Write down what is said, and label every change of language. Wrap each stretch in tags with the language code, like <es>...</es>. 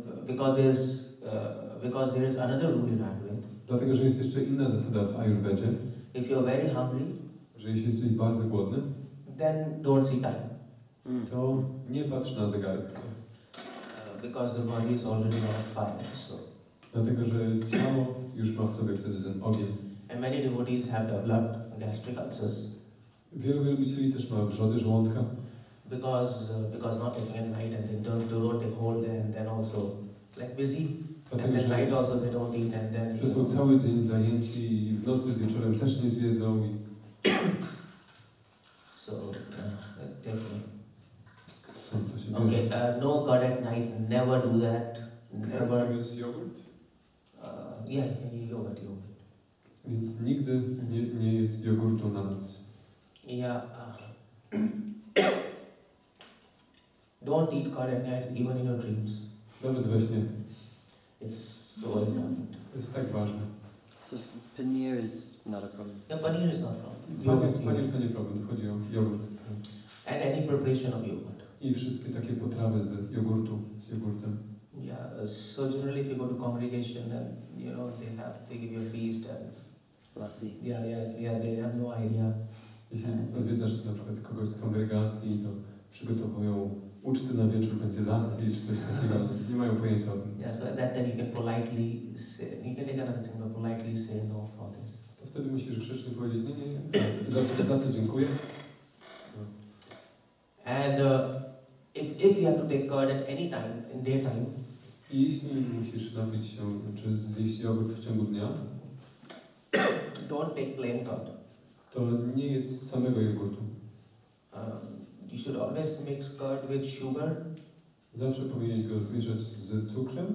<en>Because there is another rule in Ayurveda.</en> <pl>Dlatego, że jest jeszcze inna zasada w Ayurvedzie.</pl> <en>If you are very hungry,</en> <pl>że jeśli jesteś bardzo głodny,</pl> <en>then don't see time.</en> <pl>To nie patrz na zegarek.</pl> <en>Because the body is already on fire, so.</en> <pl>Dlatego, że ciało już ma w sobie wtedy ten ogień.</pl> <en>And many devotees have developed gastric ulcers.</en> <pl>Wielu wielbicieli też ma wrzody żołądka.</pl> <en>Because not taking at night and then don't take hold and then also like busy.</en> <pl>Dlatego,</pl> <en>and then night also they don't eat and then.</en> <pl>To są cały dzień zajęci i w nocy wieczorem też nie zjedzą.</pl> <en>So definitely. Okay, no God at night, never do that. Never. Can you use yogurt? Yeah, yogurt.</en> <pl>Więc nigdy nie jedz jogurtu na noc.</pl> <en>Yeah. Don't eat God at night, even in your dreams.</en> <pl>Nawet we śnie.</pl> <en>It's so important.</en> <pl>Jest tak ważne.</pl> <en>So paneer is not a problem. Yeah, paneer is not a problem.</en> <pl>Paneer to nie problem, chodzi o jogurt.</pl> <en>And any preparation of yogurt.</en> <pl>I wszystkie takie potrawy z jogurtem.</pl> <en>Yeah, so generally if you go to congregation, then you know they give you a feast and lassi. Yeah, they have no idea.</en> <pl>Jeśli odwiedzasz na przykład kogoś z kongregacji, to przygotowują uczty na wieczór, będzie lassi, czy coś takiego, nie mają pojęcia o tym.</pl> <en>Yeah, so at that time you can politely say, you can take another thing, but politely say no for this.</en> <pl>To wtedy musisz grzecznie powiedzieć, nie, za to dziękuję.</pl> <en>And if you have to take curd at any time in daytime,</en> <pl>jeśli musisz napić się czy zjeść jogurt w ciągu dnia,</pl> <en>don't take plain curd.</en> <pl>To nie jedz samego jogurtu.</pl> <en>You should always mix curd with sugar.</en> <pl>Zawsze powinieneś go zmieszać z cukrem.</pl>